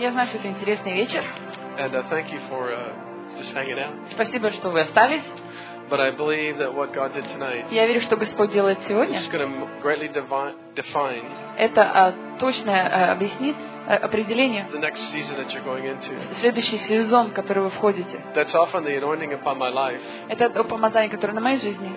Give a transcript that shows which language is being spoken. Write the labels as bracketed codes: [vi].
[ru] Я знаю, что это интересный вечер. [en] And thank you for just hanging out. [ru] Спасибо, что вы остались. [en] But I believe that what God did tonight. [ru] Я верю, что Господь делает сегодня. [en] It's going to greatly define. [ru] Это точное объяснит. Определение. [en] The next season that you're going into. [ru] Следующий сезон, в который вы входите. [en] That's often the anointing upon my life. [ru] Это помазание, которое на моей жизни.